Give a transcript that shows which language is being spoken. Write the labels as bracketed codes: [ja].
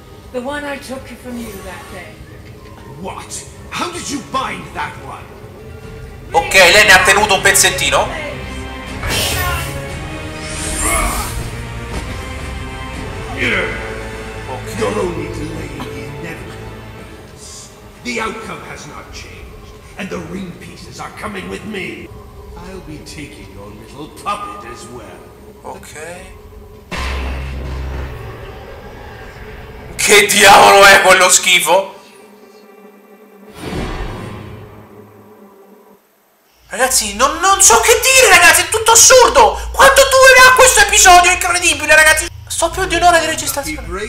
[en] The one I took from you that day. What? How did you bind that one? [it] Ok, lei ne ha tenuto un pezzettino. Ok. [en] You're only delaying the inevitable. The outcome has not changed, and the ring pieces are coming with me. I'll be taking your little puppet as well. Okay. [it] Che diavolo è quello schifo? Ragazzi, non so che dire, ragazzi, è tutto assurdo! Quanto durerà questo episodio? Incredibile, ragazzi! Sto più di un'ora di registrazione.